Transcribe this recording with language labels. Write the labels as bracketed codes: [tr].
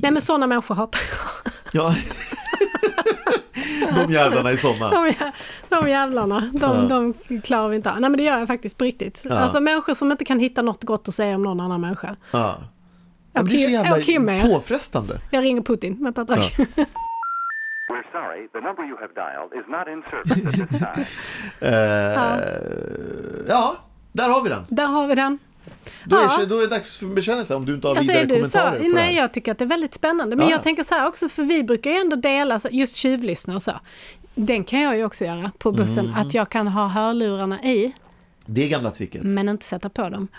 [sv] Nej, men såna människor hatar jag. De jävlarna är såna. De jävlarna, de klarar vi inte. Nej, men det gör jag faktiskt på riktigt. Ja. Alltså människor som inte kan hitta något gott att säga om någon annan människa. Ja. Det blir så jävla påfrestande. Jag ringer Putin. Vänta, tack. [en] We're sorry, the number you have dialed is not in service at this time. [sv] Där har vi den. Där har vi den. Då är det dags för bekännelse om du inte har vidare kommentarer. Nej, jag tycker att det är väldigt spännande. Men jag tänker så här också, för vi brukar ju ändå dela just tjuvlyssna och så. Den kan jag ju också göra på bussen, att jag kan ha hörlurarna i. Det är gamla tricket. Men inte sätta på dem.